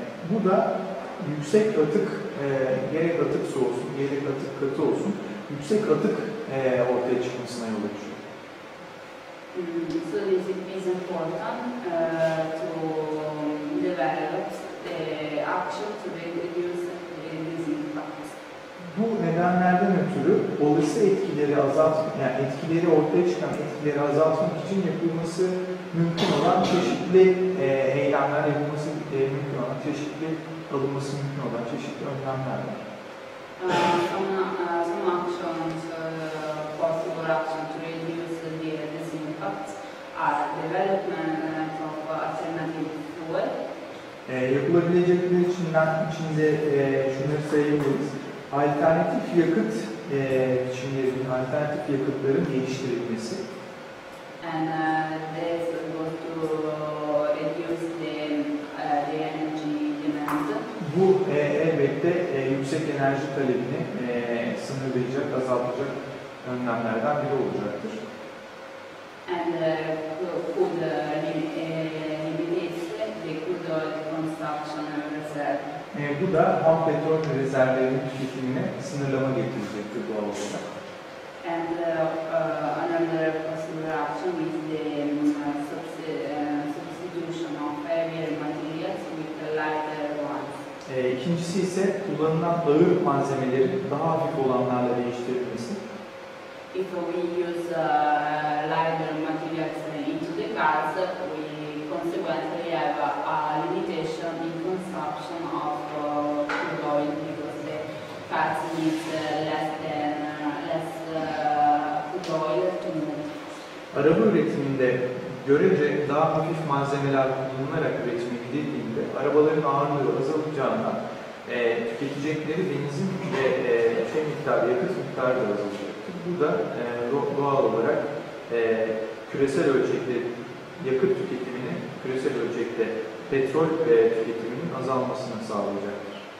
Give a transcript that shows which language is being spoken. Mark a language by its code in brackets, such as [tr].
[tr] Bu da yüksek atık, gerek atık su olsun, gerek atık katı olsun, yüksek atık ortaya çıkmasına yol açıyor. [en] So this is important to develop the action to reduce these impacts. [tr] Bu nedenlerden ötürü olası etkileri azaltmak, yani etkileri ortaya çıkan etkileri azaltmak için yapılması mümkün olan çeşitli eylemler yapılması mümkün olan çeşitli alınması mümkün olan çeşitli önlemler var. [en] Some actions, possible actions to reduce this impact are development of alternative fuel. [tr] Yapılabilecekler içinde şunları sayabiliriz. Alternatif yakıt biçimlerinin, alternatif yakıtların geliştirilmesi. [en] And this goes to reduce the energy demand. [tr] Bu elbette yüksek enerji talebini sınırlayacak, azaltacak önlemlerden biri olacaktır. [en] And food limitation, the food consumption reserve. [tr] Bu da ham petrol rezervlerinin tüketimine sınırlama getirecektir doğal olarak. [en] And another possible option is the substitution of heavier materials with lighter ones. [tr] İkincisi ise kullanılan ağır malzemeleri daha hafif olanlarla değiştirilmesi. [en] If we use lighter materials into the cars, we consequently have a limitation in consumption of crude oil because the cars need less crude oil to move. [tr] Araba üretiminde görece daha hafif malzemeler kullanılarak üretime gidildiğinde arabaların ağırlığı azalacağına tüketecekleri benzin ve şey miktarı, yakıt miktarı da azalacak. Bu da doğal olarak küresel ölçekte yakıt tüketimini, küresel ölçekte petrol tüketiminin azalmasını sağlayacaktır.